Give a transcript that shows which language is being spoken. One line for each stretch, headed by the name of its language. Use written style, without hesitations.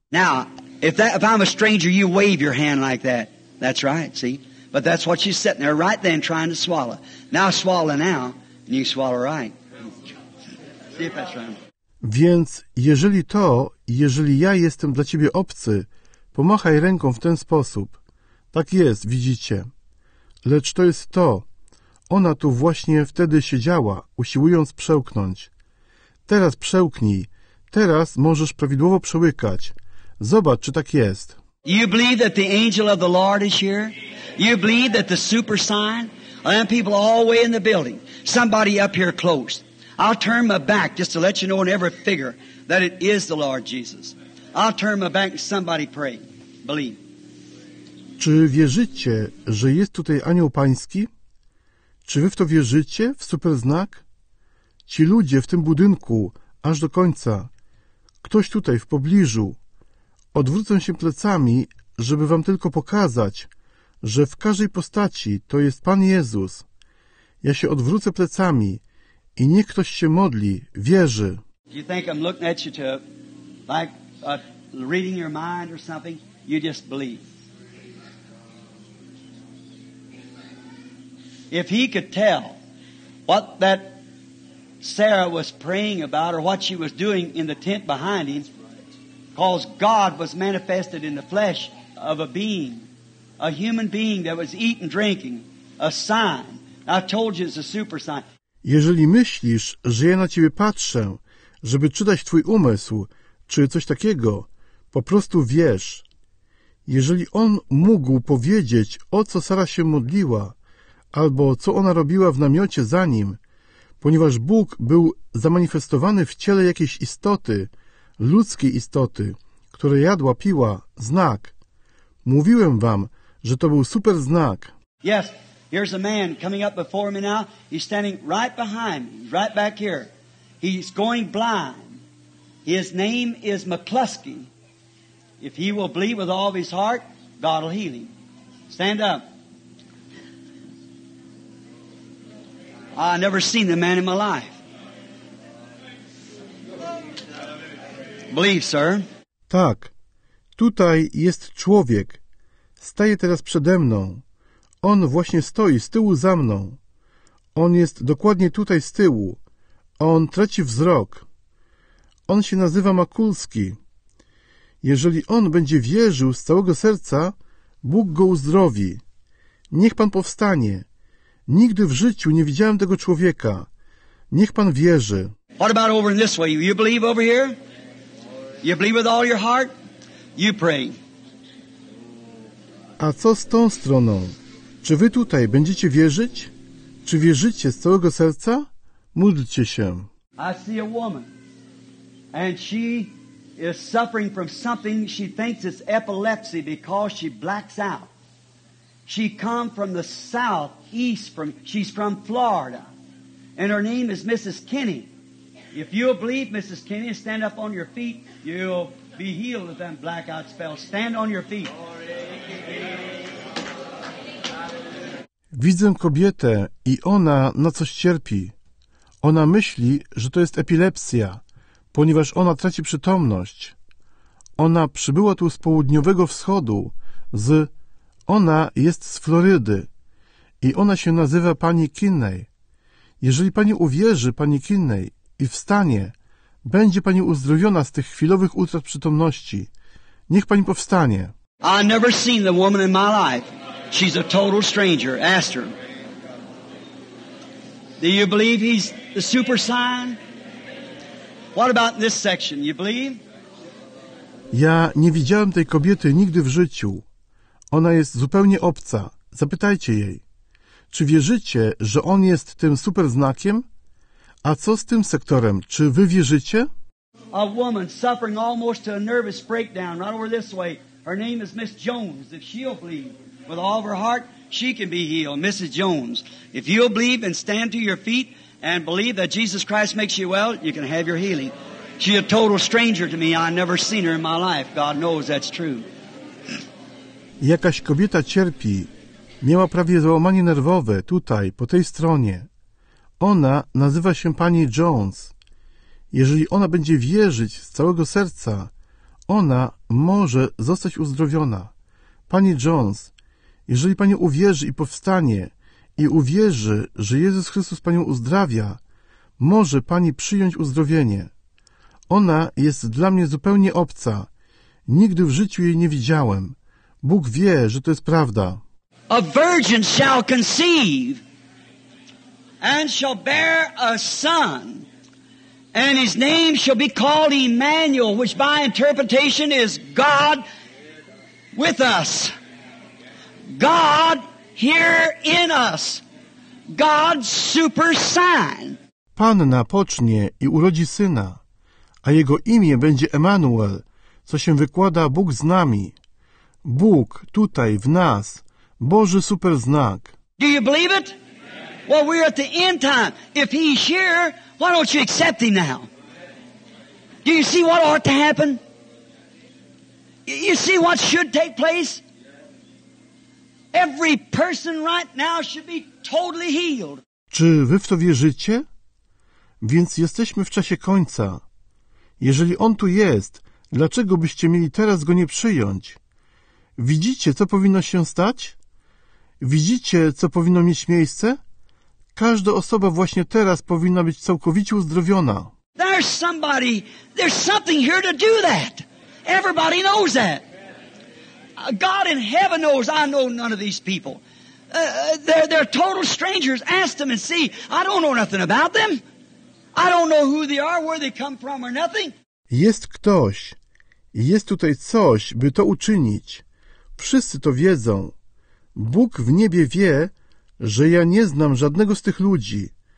English: Now, if I'm a stranger, you wave your hand like that. That's right. See? But that's what she's sitting there right then trying to swallow. Now swallow now, and you swallow right. See if that's right.
Polish: Więc jeżeli to, jeżeli ja jestem dla ciebie obcy, pomachaj ręką w ten sposób. Tak jest, widzicie. Lecz to jest to. Ona tu właśnie wtedy siedziała, usiłując przełknąć. Teraz przełknij. Teraz możesz prawidłowo przełykać. Zobacz, czy tak jest.
English: You believe that the angel of the Lord is here? You believe that the super sign? I have people all the way in the building. Somebody up here close. I'll turn my back just to let you know in every figure that it is the Lord Jesus. I'll turn my back and somebody pray. Believe.
Polish: Czy wierzycie, że jest tutaj anioł pański? Czy wy w to wierzycie, w super znak? Ci ludzie w tym budynku, aż do końca. Ktoś tutaj, w pobliżu. Odwrócę się plecami, żeby wam tylko pokazać, że w każdej postaci to jest Pan Jezus. Ja się odwrócę plecami i niech ktoś się modli, wierzy.
English: Do you think I'm looking at you to, like, reading your mind or something? You just believe. If he could tell what that Sarah was praying about or what she was doing in the tent behind him, because God was manifested in the flesh of a being, a human being that was eating, drinking, a sign. I told you it's a super sign.
Polish: Jeżeli myślisz, że ja na ciebie patrzę, żeby czytać twój umysł, czy coś takiego, po prostu wierz. Jeżeli on mógł powiedzieć, o co Sara się modliła, albo co ona robiła w namiocie za nim, ponieważ Bóg był zamanifestowany w ciele jakiejś istoty, ludzkiej istoty, która jadła, piła, znak. Mówiłem wam, że to był super znak.
English: Yes, here's a man coming up before me now. He's standing right behind me, right back here. He's going blind. His name is McCluskey. If he will believe with all of his heart, God will heal him. Stand up. I never seen the man in my life. Believe, sir.
Polish: Tak, tutaj jest człowiek. Staje teraz przede mną. On właśnie stoi z tyłu za mną. On jest dokładnie tutaj z tyłu. On traci wzrok. On się nazywa Makulski. Jeżeli on będzie wierzył z całego serca, Bóg go uzdrowi. Niech pan powstanie. Nigdy w życiu nie widziałem tego człowieka. Niech pan wierzy.
English: What about over in this way? You believe over here? You believe with all your heart? You pray.
Polish: A co z tą stroną? Czy wy tutaj będziecie wierzyć? Czy wierzycie z całego serca? Módlcie się.
English: I see a woman. And she is suffering from something she thinks is epilepsy because she blacks out. She come from the south, east, from, she's from Florida. And her name is Mrs. Kinney. If you'll believe, Mrs. Kinney, stand up on your feet, you'll be healed of that blackout spell. Stand on your feet.
Polish: Widzę kobietę i ona na coś cierpi. Ona myśli, że to jest epilepsja, ponieważ ona traci przytomność. Ona przybyła tu z południowego wschodu, z... Ona jest z Florydy i ona się nazywa pani Kinney. Jeżeli pani uwierzy pani Kinney i wstanie, będzie pani uzdrowiona z tych chwilowych utrat przytomności. Niech pani powstanie.
English: I never seen the woman in my life. She's a total stranger. Ask her. Do you believe he's the super sign? What about this section? You believe?
Polish: Ja nie widziałem tej kobiety nigdy w życiu. Ona jest zupełnie obca. Zapytajcie jej. Czy wierzycie, że on jest tym super znakiem? A co z tym sektorem? Czy wy wierzycie?
English: A woman suffering almost to a nervous breakdown right over this way. Her name is Miss Jones. If she'll believe, with all of her heart, she can be healed. Mrs. Jones, if you'll believe and stand to your feet and believe that Jesus Christ makes you well, you can have your healing. She's a total stranger to me. I've never seen her in my life. God knows that's true.
Polish: Jakaś kobieta cierpi. Miała prawie załamanie nerwowe tutaj, po tej stronie. Ona nazywa się pani Jones. Jeżeli ona będzie wierzyć z całego serca, ona może zostać uzdrowiona. Pani Jones, jeżeli pani uwierzy i powstanie i uwierzy, że Jezus Chrystus panią uzdrawia, może pani przyjąć uzdrowienie. Ona jest dla mnie zupełnie obca. Nigdy w życiu jej nie widziałem. Bóg wie, że to jest prawda.
English: A virgin shall conceive and shall bear a son, and his name shall be called Emmanuel, which by interpretation is God with us. God here in us. God's super sign.
Polish: Panna pocznie i urodzi syna, a jego imię będzie Emmanuel, co się wykłada Bóg z nami. Bóg tutaj w nas, Boży super znak.
English: Do you believe it? Well, we're at the end time. If he's here, why don't you accept him now? Do you see what ought to happen? You see what should take place? Every person right now should be totally healed.
Polish: Czy wy w to wierzycie? Więc jesteśmy w czasie końca. Jeżeli on tu jest, dlaczego byście mieli teraz go nie przyjąć? Widzicie, co powinno się stać? Widzicie, co powinno mieć miejsce? Każda osoba właśnie teraz powinna być całkowicie uzdrowiona.
English: There's somebody, there's something here to do that. Everybody knows that. God in heaven knows I know none of these people. They're total strangers. Ask them and see. I don't know nothing about them. I don't know who they are, where they come from or nothing.
Polish: Jest ktoś. Jest tutaj coś, by to uczynić. Wszyscy to wiedzą. Bóg w niebie wie, że ja nie znam żadnego z tych ludzi.